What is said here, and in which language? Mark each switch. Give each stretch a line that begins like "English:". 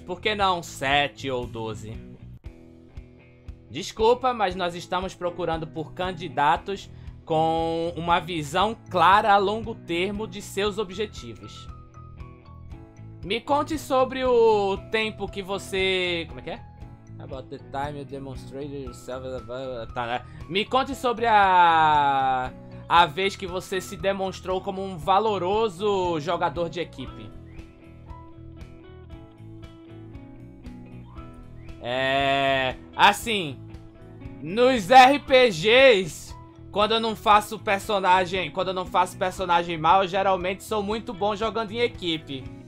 Portuguese: Por que não 7 ou 12? Desculpa, mas nós estamos procurando por candidatos com uma visão clara a longo termo de seus objetivos. Me conte sobre o tempo que você. Como é que é?
English: About the time you demonstrated yourself.
Portuguese: Tá, né? Me conte sobre a vez que você se demonstrou como um valoroso jogador de equipe. É. Assim. Nos RPGs, quando eu não faço personagem mal, eu geralmente sou muito bom jogando em equipe.